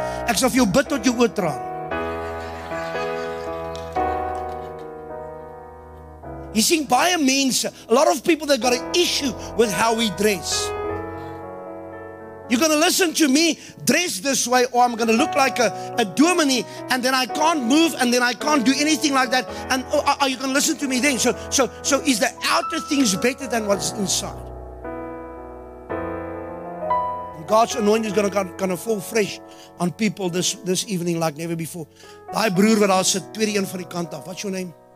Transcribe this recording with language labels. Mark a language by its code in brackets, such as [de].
[af] Ek sal vir jou bid tot jou oortraan. [en] You see, by a means, a lot of people, they've got an issue with how we dress. You're going to listen to me dress this way, or I'm going to look like a dominie, and then I can't move, and then I can't do anything like that. And are you going to listen to me then? So is the outer things better than what's inside? And God's anointing is going to fall fresh on people this evening like never before. [af] My broer, wat daar sit, tweede een van die kant af. [en] What's your name?